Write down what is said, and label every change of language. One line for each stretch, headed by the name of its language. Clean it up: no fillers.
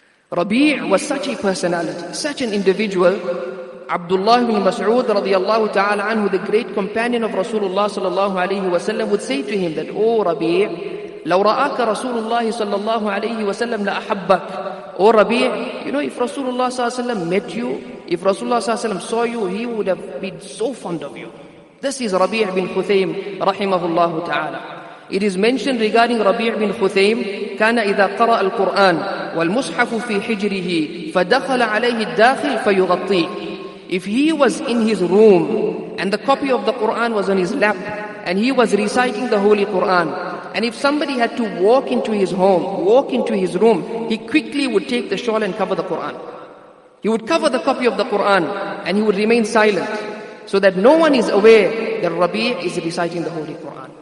English: Rabi' was such a personality, such an individual. Abdullah bin Mas'ud radiyallahu ta'ala anhu, the great companion of Rasulullah sallallahu alayhi wa sallam, would say to him that, O Rabi',
Arabic: لو رآك رسول الله صلى الله عليه وسلم لأحبك.
English: O Rabi', you know, if Rasulullah sallallahu alayhi wa sallam met you, if Rasulullah sallallahu alayhi wa sallam saw you, he would have been so fond of you. This is Rabi' bin Khuthaym rahimahullahu ta'ala. It is mentioned regarding Rabi' bin Khuthaym,
Arabic: كان إذا قرأ القرآن والمصحف في حجره فدخل عليه الداخل فيغطيه.
English: If he was in his room and the copy of the Quran was on his lap and he was reciting the Holy Quran, and if somebody had to walk into his home, walk into his room, he quickly would take the shawl and cover the Quran. He would cover the copy of the Quran and he would remain silent so that no one is aware that Rabi' is reciting the Holy Quran.